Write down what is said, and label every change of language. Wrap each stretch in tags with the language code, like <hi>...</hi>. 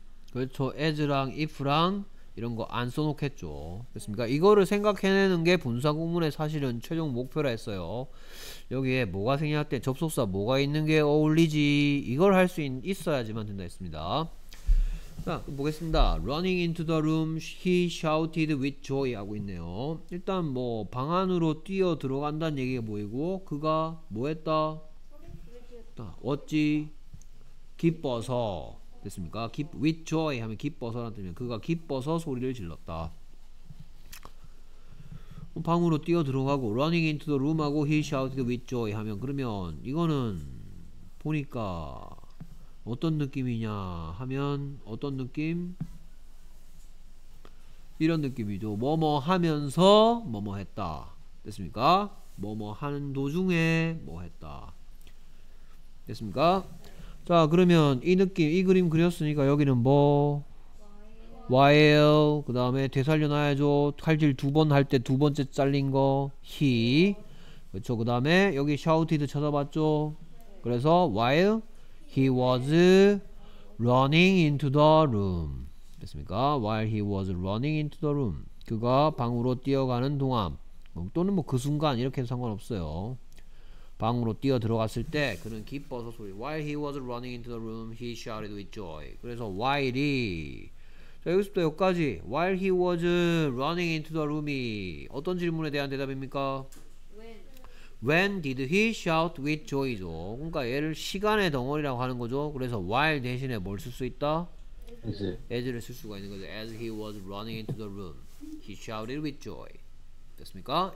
<ko>그렇죠. as랑 if랑 이런 거 안 써놓겠죠. 됐습니까? 이거를 생각해내는 게 분사구문의 사실은 최종 목표라 했어요. 여기에 뭐가 생략 때 접속사 뭐가 있는 게 어울리지? 이걸 할 수 있어야지만 된다 했습니다. 자, 보겠습니다.</ko> <en>Running into the room, he shouted with joy</en> <ko>하고 있네요. 일단 뭐 방 안으로 뛰어 들어간다는 얘기가 보이고 그가 뭐 했다? 어찌 기뻐서 됐습니까?</ko> <en>With joy</en> <ko>하면 기뻐서라는 뜻이면 그가 기뻐서 소리를 질렀다. 방으로 뛰어 들어가고</ko> <en>running into the room</en> <ko>하고</ko> <en>he shouted with joy</en> <ko>하면 그러면 이거는 보니까 어떤 느낌이냐 하면 어떤 느낌? 이런 느낌이죠. 뭐뭐 하면서 뭐뭐 했다 됐습니까? 뭐뭐 하는 도중에 뭐 했다 됐습니까? 자 그러면 이 느낌 이 그림 그렸으니까 여기는 뭐? While 그 다음에 되살려놔야죠. 칼질 두 번 할 때 두 번째 잘린 거 he 그렇죠. 그 다음에 여기 shouted 찾아봤죠. 그래서</ko> <en>while he was running into the room</en> <ko>됐습니까?</ko> <en>While he was running into the room</en> <ko>그가 방으로 뛰어가는 동안 또는 뭐 그 순간 이렇게 상관없어요. 방으로 뛰어 들어갔을 때 그는 기뻐서 소리</ko> <en>while he was running into the room he shouted with joy.</en> <ko>그래서 while 이 자 여기서부터 여기까지</ko> <en>while he was running into the room</en> <ko>이 어떤 질문에 대한 대답입니까?</ko> <en>When did he shout with joy죠.</en> <ko>그러니까 얘를 시간의 덩어리라고 하는 거죠. 그래서 while 대신에 뭘 쓸 수 있다?</ko> <en>as를</en> <ko>쓸 수가 있는 거죠.</ko> <en>as he was running into the room he shouted with joy</en> <ko>됐습니까?</ko>